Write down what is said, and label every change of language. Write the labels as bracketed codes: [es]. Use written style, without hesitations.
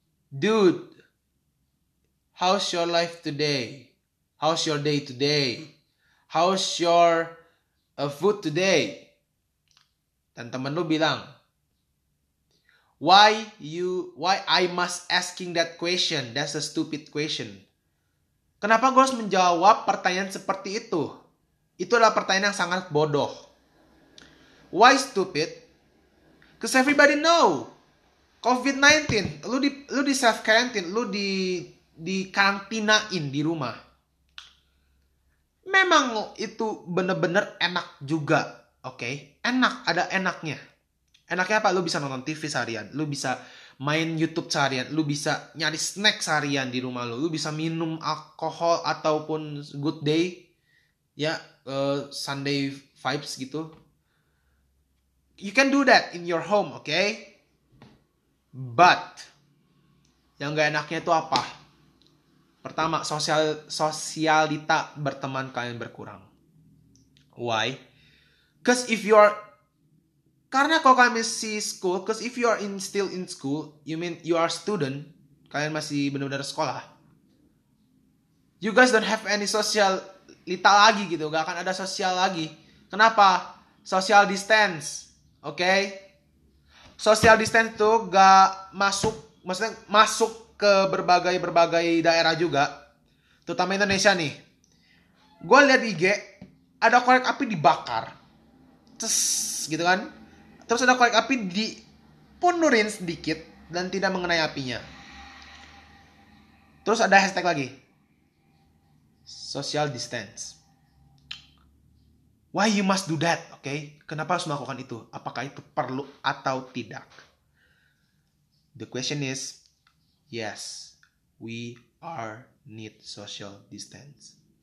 [en] Dude, how's your life today? How's your day today? How's your food today? [id] Dan teman lu bilang, [en] why I must asking that question? That's a stupid question. [id] Kenapa gua harus menjawab pertanyaan seperti itu? Itu adalah pertanyaan yang sangat bodoh. [en] Why stupid? Because everybody know COVID-19. [id] Lu di self quarantine, lu di karantinain di rumah. Memang itu bener-bener enak juga, okay? Enak, ada enaknya. Enaknya apa? Lu bisa nonton TV seharian, lu bisa main YouTube seharian, lu bisa nyari snack seharian di rumah lu bisa minum alkohol ataupun good day, ya, Sunday vibes gitu. [en] You can do that in your home, okay? [id] But yang enggak enaknya itu apa? Pertama, sosialita berteman kalian berkurang. Why? Karena kalau kalian masih school, [en] because if you are still in school, you mean you are student, [id] kalian masih benar-benar sekolah. [en] You guys don't have any [id] sosialita lagi gitu, enggak akan ada sosial lagi. Kenapa? Social distance. Oke, okay. Social distance tuh gak masuk, maksudnya masuk ke berbagai daerah juga, terutama Indonesia nih. Gue liat IG, ada korek api dibakar, cess gitu kan, terus ada korek api dipunurin sedikit dan tidak mengenai apinya. Terus ada hashtag lagi, social distance. [en] Why you must do that, okay? [id] Kenapa harus melakukan itu? Apakah itu perlu atau tidak? [en] The question is, yes, we are need social distance.